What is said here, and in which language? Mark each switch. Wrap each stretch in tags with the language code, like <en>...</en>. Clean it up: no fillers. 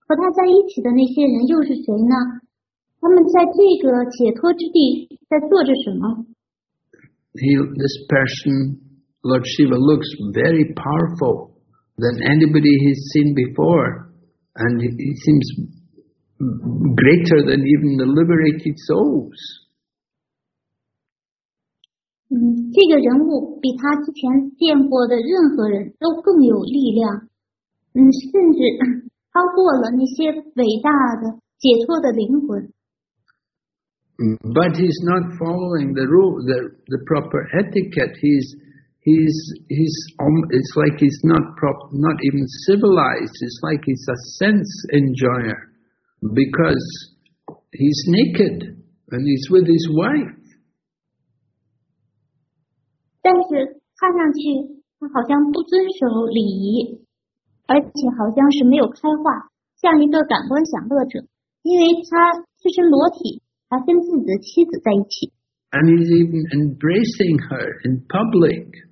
<zh>和他在一起的那些人又是谁呢？他们在这个解脱之地在做着什么？</zh> <en>This person, Lord Shiva, looks very powerful than anybody he's seen before. And he seems greater than even the liberated souls.</en> <zh>这个人物比他之前见过的任何人都更有力量。甚至超过了那些伟大的解脱的灵魂。</zh> <en>But he's not following the rule, the proper etiquette. It's like he's not even civilized. It's like he's a sense enjoyer because he's naked and he's with his wife.</en> <zh>但是看上去他好像不遵守礼仪，而且好像是没有开化，像一个感官享乐者，因为他赤身裸体。他跟自己的妻子在一起。</zh> <en>And he's even embracing her in public.</en>